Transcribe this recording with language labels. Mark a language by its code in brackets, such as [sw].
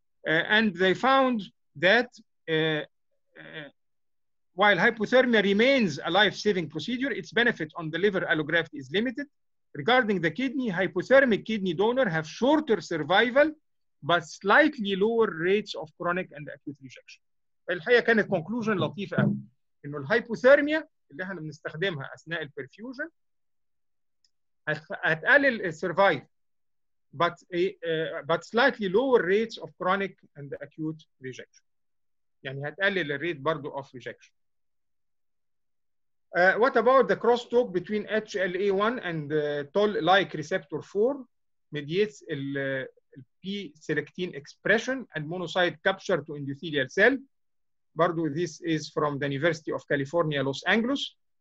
[en] And they found that while hypothermia remains a life-saving procedure, its benefit on the liver allograft is limited. Regarding the kidney, hypothermic kidney donors have shorter survival but slightly lower rates of chronic and acute rejection. [ar] الحقيقة كانت conclusion لطيفة إنه الهايبوثيرميا اللي احنا بنستخدمها أثناء البرفيوجن هتقلل السرفايف [en] but slightly lower rates of chronic and acute rejection. [ar] يعني هتقلل الريت برضو [en] of rejection. What about the crosstalk between HLA1 and Toll-like receptor 4 mediates P-selectin expression and monocyte capture to endothelial cell? [ar] برضو [en] this is from the University of California, Los Angeles.